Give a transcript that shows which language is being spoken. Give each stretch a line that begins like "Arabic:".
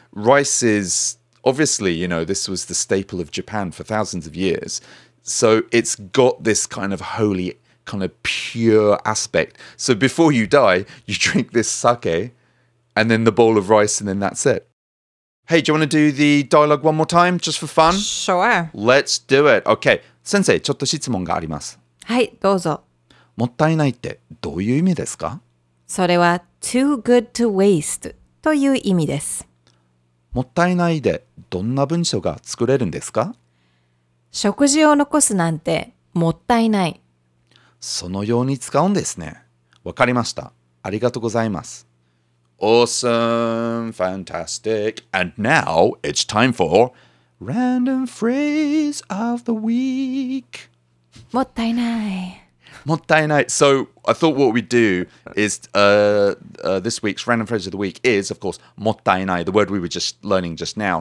English: Rice is, obviously, you know, this was the staple of Japan for thousands of years. So it's got this kind of holy, kind of pure aspect. So before you die, you drink this sake and then the bowl of rice and then that's it. Hey, do you want to do the dialogue one more time, just for fun? Sure. Let's do it. Okay.
Japanese: 先生、ちょっと質問があります。はい、どうぞ。もったいないってどういう意味ですか？それは、
English: too good to waste
Japanese: という意味です。もったいないでどんな文章が作れるんですか？食事を残すなんてもったいない。そのように使うんですね。わかりました。ありがとうございます。
English: Awesome, fantastic, and now it's time for Random Phrase of the Week.
Japanese: もったいない。もったいない。
English: So I thought what we'd do is this week's Random Phrase of the Week is, of course, もったいない, the word we were just learning just now.